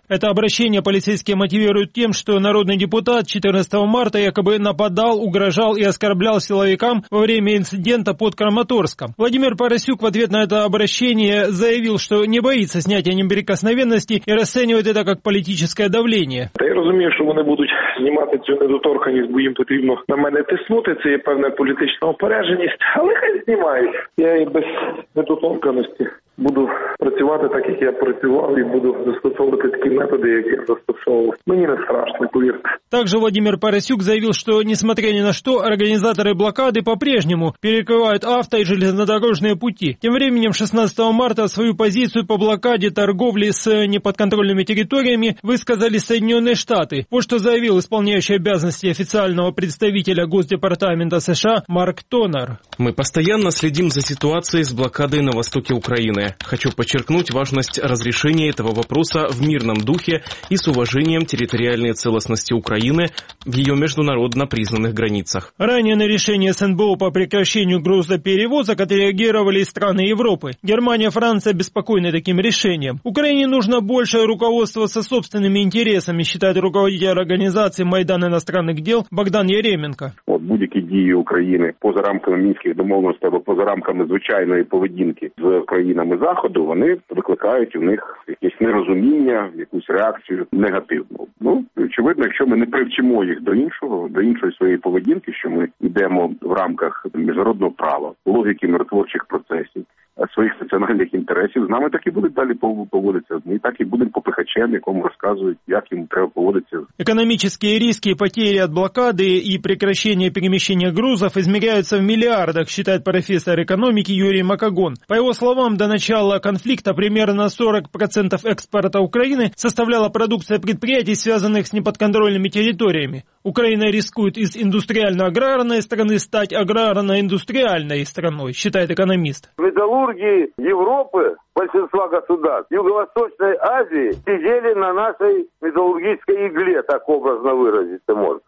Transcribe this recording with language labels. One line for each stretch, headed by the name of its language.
Russian: Это обращение полицейские мотивируют тем, что народный депутат 14 марта якобы нападал, угрожал и оскорблял силовикам во время инцидента под Краматорском. Владимир Парасюк в ответ на это обращение заявил, что не боится снятия неприкосновенности и расценивает это как политическое давление.
Ukrainian: Я розумію, що вони будуть знімати цю недоторканність, бо їм потрібно на мене тиснути. Це є певна політична опередженість, але хай знімають. Я і без недоторканності буду працювати так, як я працював, і буду застосовувати такі методи, які я застосовував. Мені не страшно, повірте.
Russian: Также Владимир Парасюк заявил, что, несмотря ни на что, организаторы блокады по-прежнему перекрывают авто- и железнодорожные пути. Тем временем, 16 марта свою позицию по блокаде торговли с неподконтрольными территориями высказали Соединенные Штаты. Вот что заявил исполняющий обязанности официального представителя Госдепартамента США Марк Тонер. «Мы постоянно следим за ситуацией с блокадой на востоке Украины. Хочу подчеркнуть важность разрешения этого вопроса в мирном духе и с уважением территориальной целостности Украины. Украины в ее международно признанных границах». Ранее на решение СНБО по прекращению грузоперевозок отреагировали и страны Европы. Германия, Франция обеспокоены таким решением. «Украине нужно большее руководство со собственными интересами», считает руководитель организации «Майдан иностранных дел» Богдан Яременко.
Ukrainian: «Вот будь-які дії України поза рамками мінських домовленостей або поза рамками звичайної поведінки з країнами Заходу, вони викликають у них якесь нерозуміння, якусь реакцію негативну. Ну, очевидно, якщо ми не привчимо їх до іншої своєї поведінки, що ми йдемо в рамках міжнародного права, логіки миротворчих процесів, своїх національних інтересів, з нами так і будуть далі поводитися. Ми так і будемо попихачем, якому розказують, як їм треба поводитися. Економічні ризики, потери від блокади і прекращення переміщення грузів ізміряються в мільярдах, вважає професор економіки Юрій Макогон. По його словам, до початку конфлікту приблизно 40% експорту України составляла продукція підприємств, зв'язаних з непідконтрольними територіями.
Russian: Украина рискует из индустриально-аграрной страны стать аграрно-индустриальной страной, считает экономист. Металлурги Европы, большинства государств Юго-Восточной Азии, сидели на нашей металлургической игле, так образно выразиться можно.